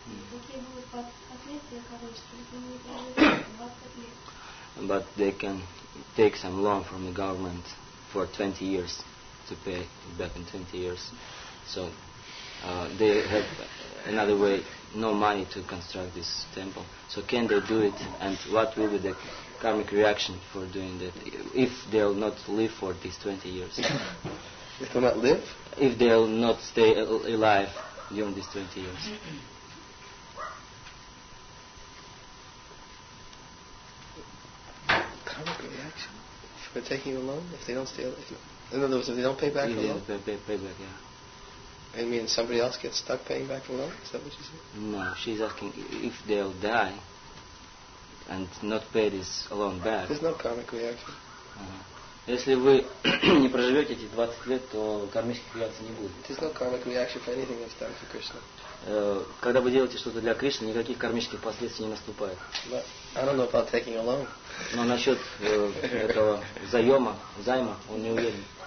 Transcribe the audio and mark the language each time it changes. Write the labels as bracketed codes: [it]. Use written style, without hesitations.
[ru] Какие будут последствия, короче, если мы не проживем 20 лет? [en] But they can take some loan from the government for 20 years to pay back in 20 years. So they have another way, no money to construct this temple. So can they do it? And what will be the karmic reaction for doing that if they'll not live for these 20 years? If they'll not live? If they'll not stay alive during these 20 years. Karmic reaction? For taking a loan? If they don't stay alive? In other words, if they don't pay back a loan? Pay back, yeah. I mean, somebody else gets stuck paying back a loan? Is that what you said? No, she's asking if they'll die and not pay this loan back. There's no karmic reaction. [ru] Если вы не проживете эти 20 лет, то кармических реакций не будет. [en] There's no karmic reaction for anything that's done for Krishna. [ru] Когда вы делаете что-то для Кришны, никаких кармических последствий не наступает. [en] I don't know about taking a loan. [ru] Но насчет этого займа, он не уверен.